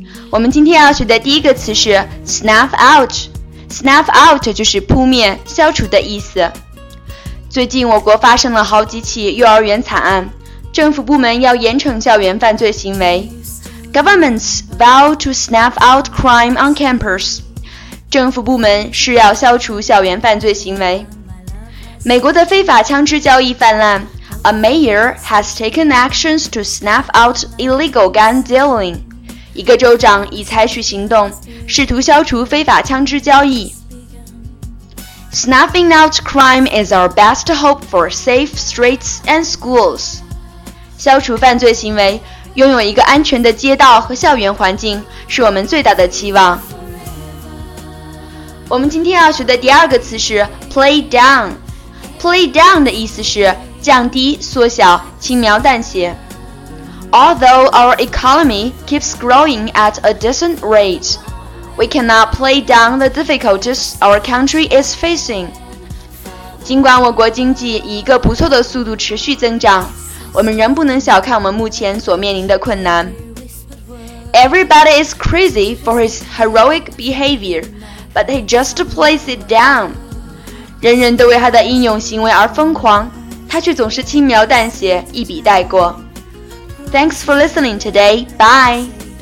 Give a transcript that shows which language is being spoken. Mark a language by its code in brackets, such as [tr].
[zh] 我们今天要学的第一个词是 snuff out， snuff out 就是扑灭、消除的意思。最近我国发生了好几起幼儿园惨案，政府部门要严惩校园犯罪行为。 [en] Governments vow to snuff out crime on campus. [zh] 政府部门是要消除校园犯罪行为。美国的非法枪支交易泛滥。 [en] A mayor has taken actions to snuff out illegal gun dealing. [zh] 一个州长已采取行动，试图消除非法枪支交易。 [en] Snuffing out crime is our best hope for safe streets and schools. [zh] 消除犯罪行为，拥有一个安全的街道和校园环境，是我们最大的期望。我们今天要学的第二个词是 play down。play down 的意思是降低、缩小、轻描淡写。 [en] Although our economy keeps growing at a decent rate, we cannot play down the difficulties our country is facing. [zh] 尽管我国经济以一个不错的速度持续增长，我们仍不能小看我们目前所面临的困难。 [en] Everybody is crazy for his heroic behavior, but he just plays it down. [zh] 人人都为他的英勇行为而疯狂，他却总是轻描淡写，一笔带过。 [en] Thanks for listening today. Bye.